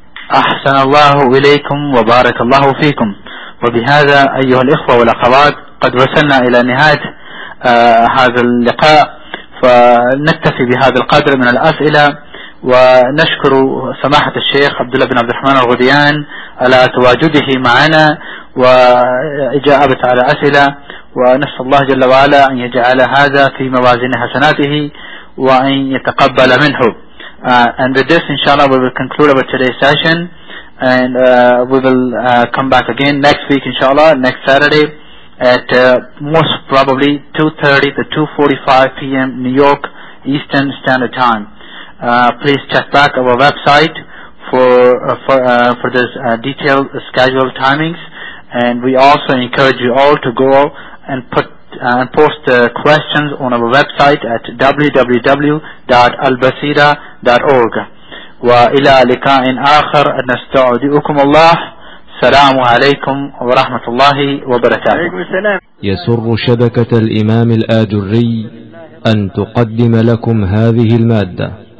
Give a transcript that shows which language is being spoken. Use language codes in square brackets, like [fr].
[ar] أحسن الله إليكم وبارك الله فيكم. وبهذا أيها الإخوة والأخوات قد وصلنا إلى نهاية هذا اللقاء، فنكتفي بهذا القدر من الأسئلة، ونشكر سماحة الشيخ عبد الله بن عبد الرحمن الغديان على تواجده معنا وإجابة على أسئلة، ونسأل الله جل وعلا أن يجعل هذا في موازين حسناته وأن يتقبل منه. [en] And with this, inshallah, we will conclude our today's session, and we will come back again next week, inshallah, next Saturday, at most probably 2:30 to 2:45 p.m. New York Eastern Standard Time. Please check back our website for this detailed schedule timings, and we also encourage you all to go and put and post questions on our website at www.albasira.org. [ar] وإلى لقاء آخر نستودعكم الله. السلام عليكم ورحمة الله وبركاته. يسر شبكة الإمام الآجري أن تقدم لكم هذه المادة.